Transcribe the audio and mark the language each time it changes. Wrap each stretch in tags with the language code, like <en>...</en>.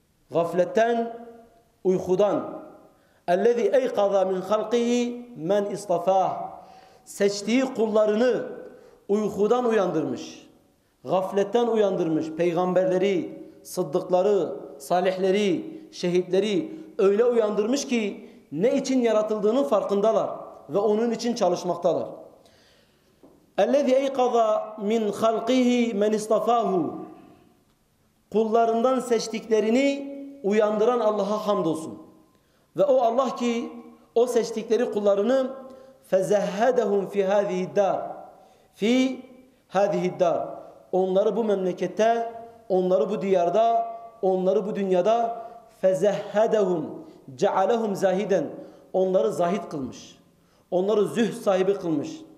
<tr>Gafletten, uykudan.</tr> <ar>اَلَّذِي اَيْقَضَى مِنْ خَلْقِهِ مَنْ اِصْطَفَاهِ</ar> <tr>seçtiği kullarını uykudan uyandırmış, gafletten uyandırmış, peygamberleri, sıddıkları, salihleri, şehitleri öyle uyandırmış ki ne için yaratıldığının farkındalar ve onun için çalışmaktalar.</tr> <ar>اَلَّذِي اَيْقَضَى مِنْ خَلْقِهِ مَنْ اِصْطَفَاهُ</ar> <tr>kullarından seçtiklerini uyandıran Allah'a hamdolsun. Ve o Allah ki o seçtikleri kullarını</tr> <ar>fezehhedehum fi hadihi dar, fi hadihi dar,</ar> <tr>onları bu memlekette, onları bu diyarda, onları bu dünyada</tr> <ar>fezehhedehum, cealehum zahiden,</ar> <tr>onları zahit kılmış, onları züh sahibi kılmış.</tr>